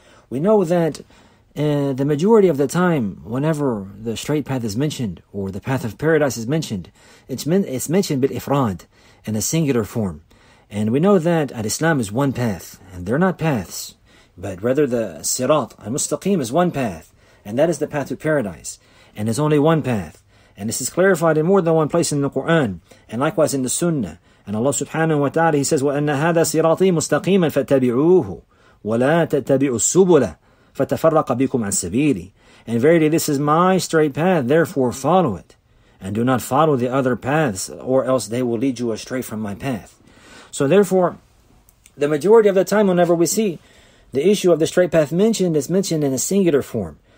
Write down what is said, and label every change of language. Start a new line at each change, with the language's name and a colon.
English: We know that the majority of the time, whenever the straight path is mentioned, or the path of paradise is mentioned, it's mentioned
Arabic: bil ifrad,
English: in a singular form. And we know that al-Islam is one path, and they're not paths. But rather the Sirat, al-Mustaqim, is one path. And that is the path to paradise. And it's only one path. And this is clarified in more than one place in the Qur'an. And likewise in the Sunnah. And Allah subhanahu wa ta'ala, He says,
Arabic: وَأَنَّ هَذَا صِرَاطِي مُسْتَقِيمًا فَاتَّبِعُوهُ وَلَا تَتَّبِعُوا السُّبُلَ فتفرق بكم عن سبيلي.
English: And verily, this is my straight path, therefore follow it. And do not follow the other paths, or else they will lead you astray from my path. So therefore, the majority of the time, whenever we see the issue of the straight path mentioned, it's mentioned in a singular form.